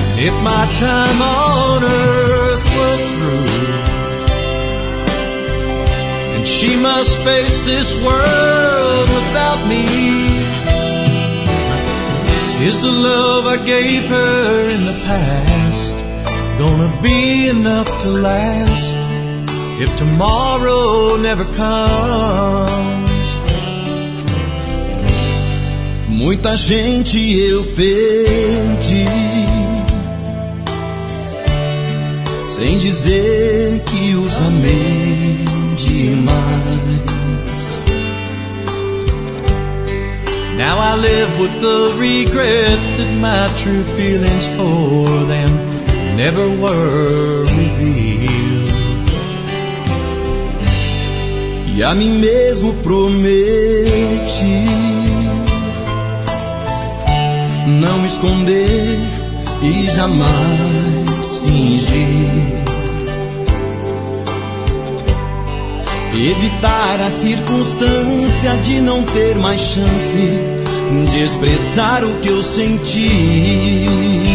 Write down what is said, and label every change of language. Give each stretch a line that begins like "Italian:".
English: If my time on earth were through, and she must face this world without me, is the love I gave her in the past gonna be enough to last if tomorrow never comes?
Portuguese: Muita gente eu perdi sem dizer que os amei demais.
English: Now I live with the regret that my true feelings for them never were revealed.
Portuguese: E a mim mesmo prometi não esconder e jamais fingir, evitar a circunstância de não ter mais chance de expressar o que eu senti.